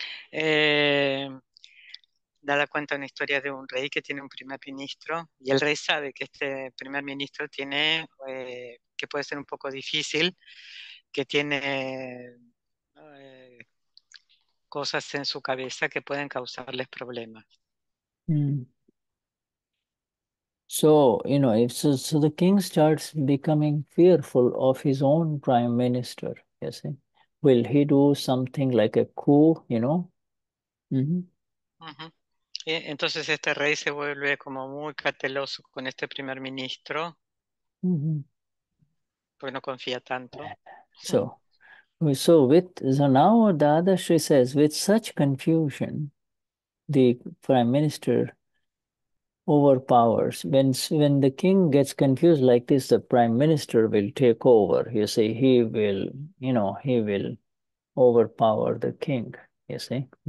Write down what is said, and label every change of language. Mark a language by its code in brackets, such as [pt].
[es] Dada cuenta una historia de un rey que tiene un primer ministro y el rey sabe que este primer ministro tiene que puede ser un poco difícil, que tiene cosas en su cabeza que pueden causarles problemas. [en] So, you know, so the king starts becoming fearful of his own prime minister, you see. Will he do something like a coup, you know? [es] Entonces este rey se vuelve como muy cauteloso con este primer ministro, pues no confía tanto. [en] So now Dadashri says, with such confusion, the prime minister overpowers. When the king gets confused like this, the prime minister will take over. You see, he will, you know, he will overpower the king, you see.